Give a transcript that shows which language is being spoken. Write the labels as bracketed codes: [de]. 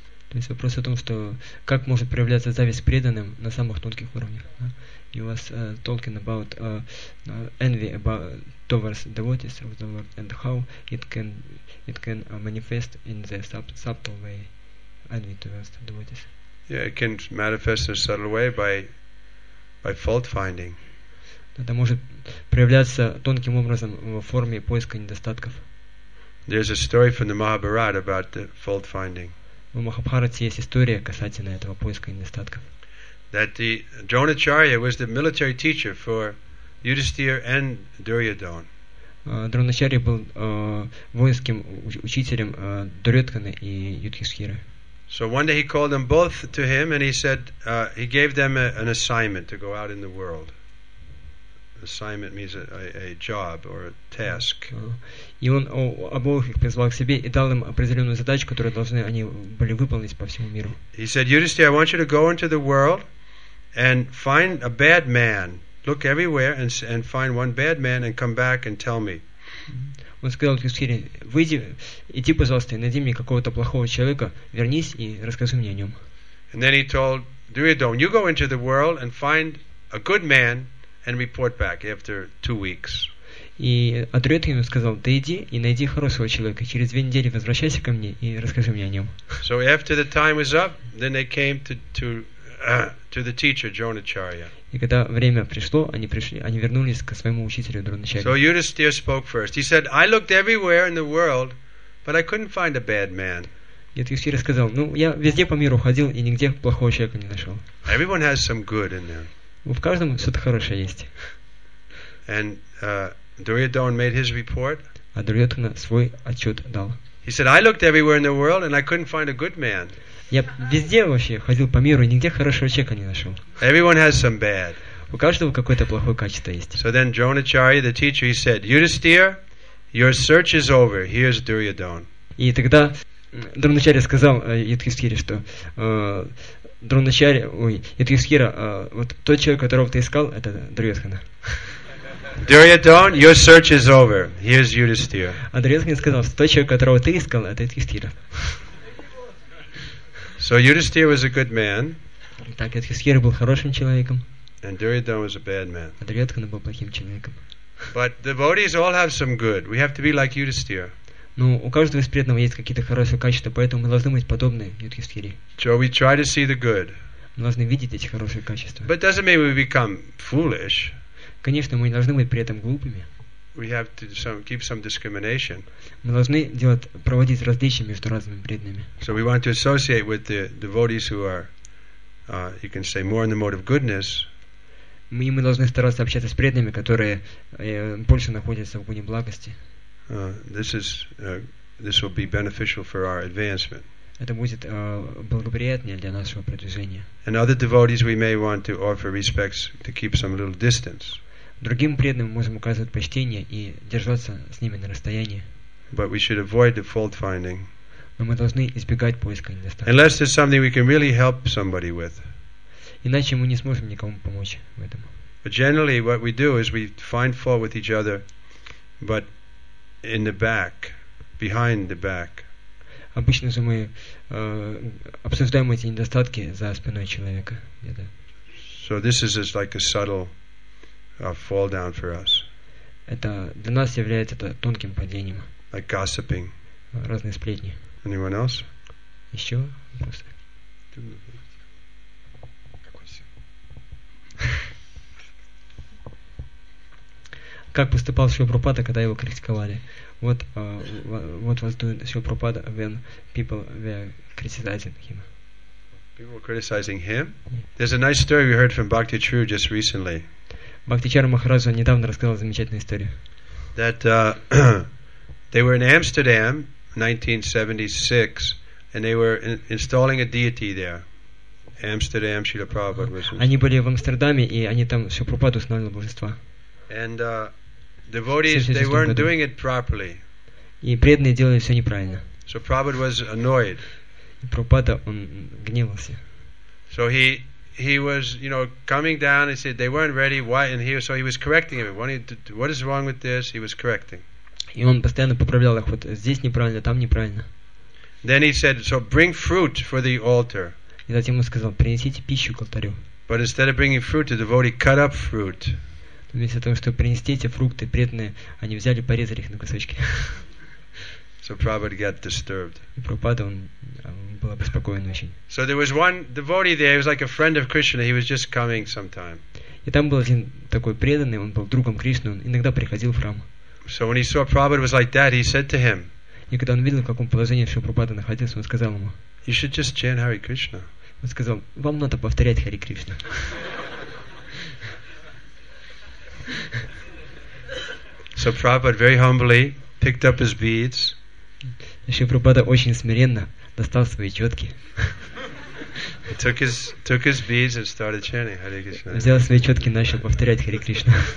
[ru] То есть вопрос о том, что как может проявляться зависть к преданным на самых тонких уровнях. Да? [en] You was talking about envy about towards devotees of the Lord and how it can manifest in the subtle way, envy towards the devotees. Yeah, it can manifest in a subtle way by fault finding. [ru] Это может проявляться тонким образом в форме поиска недостатков. [en] There's a story from the Mahabharata about the fault finding. [ru] В Махабхарате есть история касательно этого поиска недостатков. [en] That the Dronacharya was the military teacher for Yudhisthira and Duryodhana. [ru] Дроначарья был воинским учителем Дурьотхана и Юдхисхиры. [en] So one day he called them both to him and he said he gave them an assignment to go out in the world. Assignment means a job or a task. [ru] И он обоих призвал к себе и дал им определенную задачу, которую должны они были выполнить по всему миру. [en] He said, Yudhisthira, I want you to go into the world and find a bad man. Look everywhere and find one bad man and come back and tell me. [ru] Он сказал Юдхисхире, выйди, иди, пожалуйста, найди мне какого-то плохого человека, вернись и расскажи мне о нем. [en] And then he told Duryodhana, you go into the world and find a good man and report back after 2 weeks. [ru] И Дурьотхана ему сказал, ты иди и найди хорошего человека, через 2 недели возвращайся ко мне и расскажи мне о нем. [en] So after the time was up, then they came to the teacher Dronacharya. [ru] И когда время пришло, они вернулись к своему учителю Дроначарье. [en] So Yudhisthira spoke first. He said, I looked everywhere in the world, but I couldn't find a bad man. [ru] Yudhisthira сказал, ну я везде по миру ходил и нигде плохого человека не нашел. [en] Everyone has some good in them. [ru] В каждом что-то хорошее есть. [en] And Duryodhana made his report. [ru] А Дурьотхана свой отчет дал. [en] He said, I looked everywhere in the world and I couldn't find a good man. [ru] Я везде вообще ходил по миру и нигде хорошего человека не нашел. [en] Everyone has some bad. [ru] У каждого какое-то плохое качество есть. [en] So then Dronacharya, the teacher, he said, Yudhisthira, your search is over. Here's Duryodhana. [ru] И тогда Дроначарья сказал Юдхисхире, что Юдхисхира, вот тот человек, которого ты искал, это Дурьотхана. [en] Duryodhana, your search is over. Here's Yudhisthira. [ru] А Дурьотхана сказал, что тот человек, которого ты искал, это Юдхисхира. [en] So Yudhisthira was a good man. [ru] Так, Юдхисхира был хорошим человеком. [en] And Duryodhana was a bad man. [ru] А Дурьотхана был плохим человеком. [en] But devotees all have some good. We have to be like Yudhisthira. [ru] Ну, у каждого из преданного есть какие-то хорошие качества, поэтому мы должны быть подобны Юдхисхире. [en] So we try to see the good. [ru] Мы должны видеть эти хорошие качества. [en] But doesn't mean we become foolish. [ru] Конечно, мы не должны быть при этом глупыми. [en] We have to keep some discrimination. [ru] Мы должны проводить различия между разными преданными. [en] So we want to associate with the devotees who are, you can say, more in the mode of goodness. [ru] Мы должны стараться общаться с преданными, которые больше находятся в гуне благости. [en] This will be beneficial for our advancement. [ru] Это будет благоприятнее для нашего продвижения. [en] And other devotees, we may want to offer respects to keep some little distance. [ru] Другим преданным мы можем оказывать почтение и держаться с ними на расстоянии. [en] But we should avoid the fault finding. [ru] Но мы должны избегать поиска недостатков. [en] Unless there's something we can really help somebody with. [ru] Иначе мы не сможем никому помочь в этом. [en] But generally, what we do is we find fault with each other, but in the back, behind the back. [ru] Обычно же мы обсуждаем эти недостатки за спиной человека. [en] So this is just like a subtle fall down for us. [ru] Это для нас является это тонким падением. [en] Like gossiping. [ru] Разные сплетни. [en] Anyone else? [ru] Еще просто. Как поступал Шрила Прабхупада, когда его критиковали? [en] What was doing Шрила Прабхупада when people were criticizing him? People were criticizing him? There's a nice story we heard from Bhakti Chiru just recently. [ru] Бхактичара Махараджа недавно рассказал замечательную историю. [en] That they were in Amsterdam, 1976, and they were installing a deity there. Amsterdam, Srila Prabhupada was. [ru] Они были в Амстердаме и они там Шрила Прабхупада установил божество. [en] And devotees, they weren't doing it properly. [ru] И преданные делали все неправильно. [en] So Prabhupada was annoyed. [ru] Прабхупада он гневался. [en] So he was, you know, coming down and said they weren't ready, why, and here, so he was correcting him. What is wrong with this? He was correcting. [ru] И он постоянно поправлял их, вот здесь неправильно, там неправильно. [en] Then he said, so bring fruit for the altar. [ru] И затем он сказал, принесите пищу к алтарю. [en] But instead of bringing fruit, the devotee cut up fruit. [ru] Вместо того, чтобы принести эти фрукты, преданные, они взяли, порезали их на кусочки. [en] So Prabhupada got disturbed. [ru] Прабхупада, он был обеспокоен очень. [en] So there was one devotee there. He was like a friend of Krishna. He was just coming sometime. [ru] И там был один такой преданный. Он был другом Кришны. Он иногда приходил в храм. [en] So when he saw Prabhupada was like that, he said to him. [ru] И когда он видел, в каком положении Шрилапрабхупада находился, он сказал ему: [en] You should just chant Hare Krishna. [ru] Он сказал: вам надо повторять Хари Кришна. [en] So Prabhupada very humbly picked up his beads. [ru] Шрилапрабхупада очень смиренно достал свои четки. [en] He took his beads and started chanting Hare Krishna. [ru] Взял свои четки и начал повторять Хари Кришна.